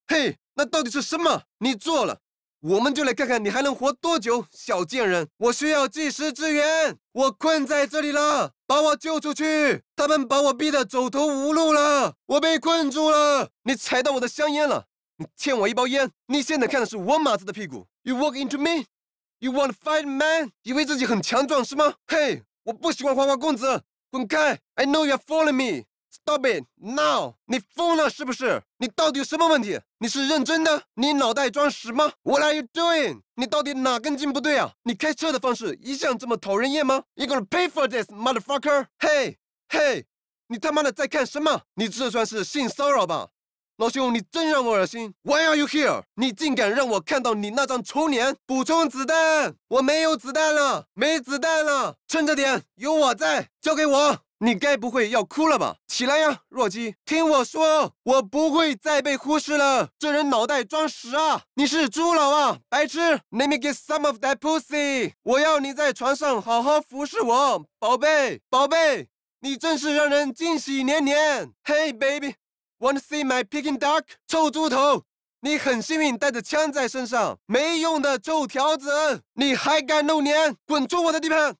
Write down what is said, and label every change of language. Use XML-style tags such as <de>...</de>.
<zh>嘿，那到底是什么你做了？我们就来看看你还能活多久，小贱人！我需要及时支援，我困在这里了，把我救出去！他们把我逼得走投无路了，我被困住了。你踩到我的香烟了，你欠我一包烟。你现在看的是我马子的屁股。</zh> <en>You walk into me, you want to fight, man？</en> <zh>以为自己很强壮是吗？嘿、hey, ，我不喜欢花花公子，滚开 ！</zh> <en>I know you're following me, stop it now！</en> <zh>你疯了是不是？你到底有什么问题？你是认真的？你脑袋装屎吗 ？</zh> <en>What are you doing？</en> <zh>你到底哪根筋不对啊？你开车的方式一向这么讨人厌吗 ？</zh> <en>You gonna pay for this, motherfucker！</en> <zh>嘿，你他妈的在看什么？你这算是性骚扰吧？老兄，你真让我恶心。</zh> <en>Why are you here？</en> <zh>你竟敢让我看到你那张丑脸！补充子弹，我没有子弹了，没子弹了，撑着点，有我在，交给我。你该不会要哭了吧？起来呀，弱鸡，听我说，我不会再被忽视了。这人脑袋装屎啊！你是猪佬啊，白痴 ！</zh> <en>Let me get some of that pussy。</en> <zh>我要你在床上好好服侍我，宝贝，宝贝，你真是让人惊喜连连。</zh> <en>Hey baby， wanna see my peking duck？</en> <zh>臭猪头，你很幸运带着枪在身上，没用的臭条子，你还敢露脸，滚出我的地盘。</zh>